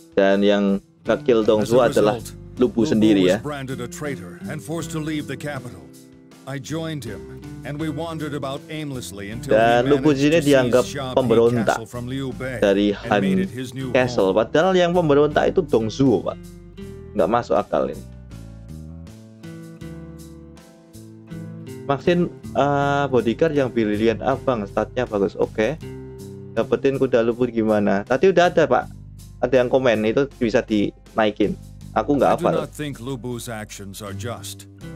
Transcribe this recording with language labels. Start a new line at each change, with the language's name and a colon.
Indonesian: Dan yang kekill Dong Zhuo adalah Lubu sendiri ya.
English: Lubu was branded a traitor and forced to leave the capital. I joined him and we wandered about aimlessly until we managed to seize Xia Ping Castle from Liu Bei dari Han Castle.
Indonesian: Padahal yang pemberontak itu Dong Zhuo, Pak. Nggak masuk akal ini. Maksin bodyguard yang brilliant abang, statnya bagus, oke. Okay. Dapetin kuda Lubu gimana? Tadi udah ada, Pak. Ada yang komen, itu bisa dinaikin. Aku nggak apa.
English: I do not think Lubu's actions are just.